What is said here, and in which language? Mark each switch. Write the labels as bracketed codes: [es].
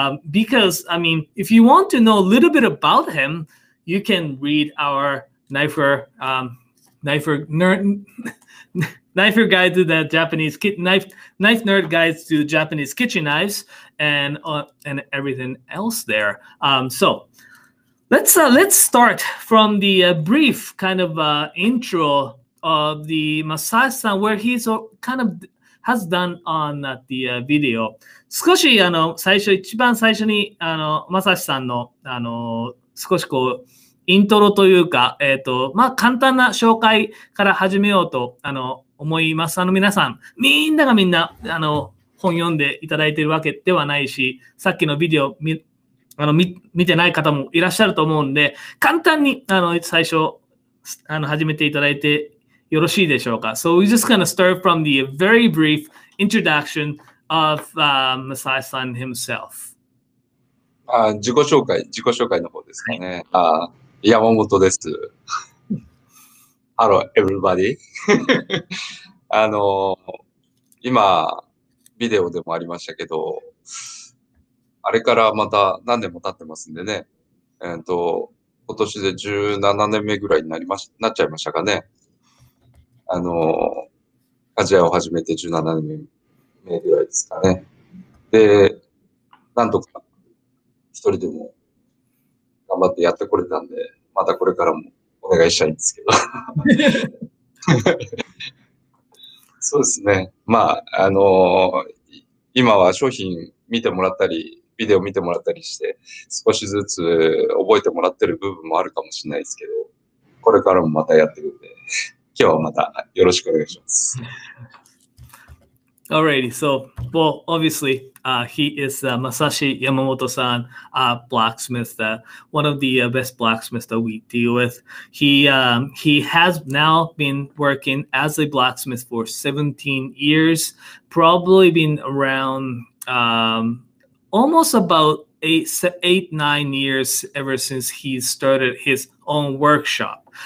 [en] Because, I mean, if you want to know a little bit about him, you can read our knife nerd guide to Japanese kitchen knives and everything else there. So let's start from the brief kind of intro of the massage-san, where he's kind of has done on the video. [ja] 少し最初、一番最初にマサシさんの少しこうイントロというか、まあ簡単な紹介から始めようと思います。皆さん、みんながみんな本読んでいただいているわけではないし、さっきのビデオ見てない方もいらっしゃると思うんで、簡単に最初始めていただいてよろしいでしょうか。 So we're just going to start from the very brief introduction of Masai-san himself. 自己紹介の方ですかね。はい、山本です。 [en] Hello, everybody. [ja] 今、ビデオでもありましたけど、あれからまた何年も経ってますんでね。今年で17年目ぐらいになりました、なっちゃいましたかね。アジアを始めて17年目ぐらいですかね。で、なんとか一人でも頑張ってやってこれたんで、またこれからもお願いしたいんですけど。そうですね。まあ、今は商品見てもらったり、ビデオ見てもらったりして、少しずつ覚えてもらってる部分もあるかもしれないですけど、これからもまたやってくるんで。今日はまたよろしくお願いします。 [en] Alrighty, so, well, obviously, he is Masashi Yamamoto-san, blacksmith, one of the best blacksmiths that we deal with. He has now been working as a blacksmith for 17 years, probably been around almost about 8-9 years ever since he started his own workshop.